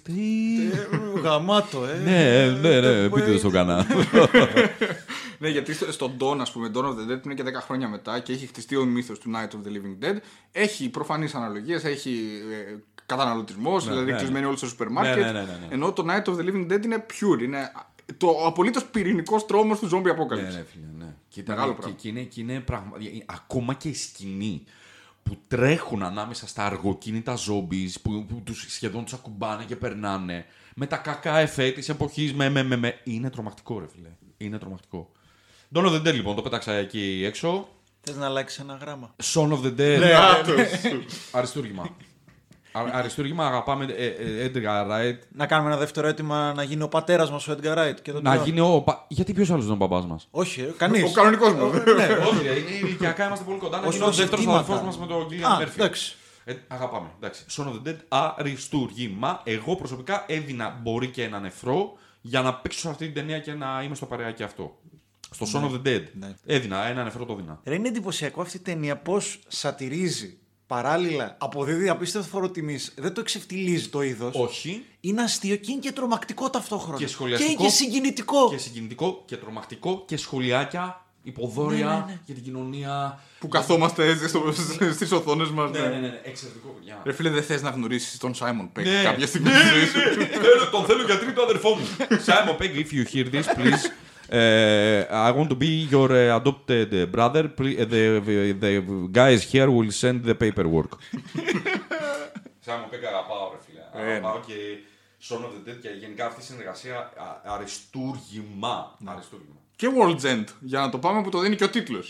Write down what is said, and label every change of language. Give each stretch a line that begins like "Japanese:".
Greek: Και λες: τι. Γαμάτο, ε. Ναι. Πείτε το στον κανάλι. Ναι, γιατί στον Dawn, ας πούμε, Dawn of the Dead είναι και 10 χρόνια μετά και έχει χτιστεί ο μύθος του Night of the Living Dead. Έχει προφανείς αναλογίες, έχει καταναλωτισμός, δηλαδή κλεισμένοι όλοι στο σούπερ μάρκετ. Ενώ το Night of the Living Dead είναι pure, είναι. Το απολύτως πυρηνικός τρόμος του zombie apocalypse. Ναι. Και ήταν, μεγάλο πράγμα. Και είναι πράγμα. Ακόμα και η σκηνή που τρέχουν ανάμεσα στα αργοκίνητα zombies που τους σχεδόν τους ακουμπάνε και περνάνε με τα κακά εφέ της εποχής με. Είναι τρομακτικό, ρε φίλε. Είναι τρομακτικό. Dawn of the Dead, λοιπόν, το πέταξα εκεί έξω. Θες να αλλάξεις ένα γράμμα. Son of the Dead. Ναι, αριστούργημα. Αριστούργημα, αγαπάμε Edgar Wright. Να κάνουμε ένα δεύτερο αίτημα να γίνει ο πατέρας μας ο Edgar Wright. Και να γίνει ο. Γιατί ποιος άλλος είναι ο παπάς μας? Όχι, κανείς. Ο κανονικός μας. Όχι, ηλικιακά είμαστε πολύ κοντά. Να γίνει ο δεύτερος αδερφός μας με τον Κίλιαν Μέρφυ. Εντάξει. Αγαπάμε. Son of the Dead, αριστούργημα. Εγώ προσωπικά έδινα μπορεί και ένα νεφρό για να παίξω σε αυτή την ταινία και να είμαι στο παρεάκι αυτό. Στο Son of the Dead. Έδινα, ένα νεφρό το δίνα. Είναι εντυπωσιακό αυτή η ταινία πώς σατιρίζει. Παράλληλα, αποδίδει απίστευτο φόρο τιμής. Δεν το εξεφτιλίζει το είδος. Όχι. Είναι αστείο και είναι και τρομακτικό ταυτόχρονα. Και σχολιαστικό. Και συγκινητικό. Και συγκινητικό και τρομακτικό και σχολιάκια, υποδόρια για την κοινωνία. Που καθόμαστε έτσι στις οθόνες μας. Ναι. Εξαιρετικό, παιδιά. Ρε φίλε, δεν θες να γνωρίσεις τον Σάιμον Πέγκ κάποια στιγμή στη ζωή σου. Τον θέλω για τρίτο αδερφό μου.
English: Σάιμον Πέγκ, if you hear this, please. I want to be your adopted brother. The guys here will send the paperwork.
Greek: Σαν μου πήγα αγαπάω, ρε φίλε. Αγαπάω και Shaun of the Dead και γενικά αυτή η συνεργασία αριστούργημα. Ναι. Αριστούργημα. Και World's End, για να το πάμε που το δίνει και ο τίτλος.